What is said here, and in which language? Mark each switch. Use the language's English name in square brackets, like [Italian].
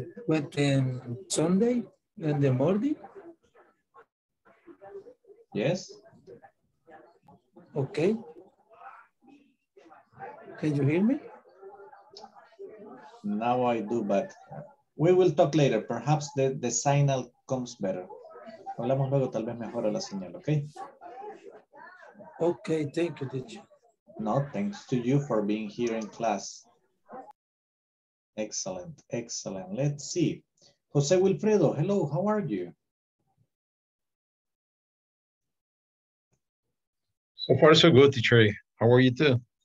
[English] I went on Sunday in the morning. Yes. Okay. Can you hear me? Now I do, but we will talk later. Perhaps the signal comes better. [Spanish] Hablamos luego, tal vez mejora la señal, okay? [English] Okay, thank you, teacher. No, thanks to you for being here in class. Excellent. Let's see. Jose Wilfredo, hello, how are you? So far, so good, teacher. How are you too?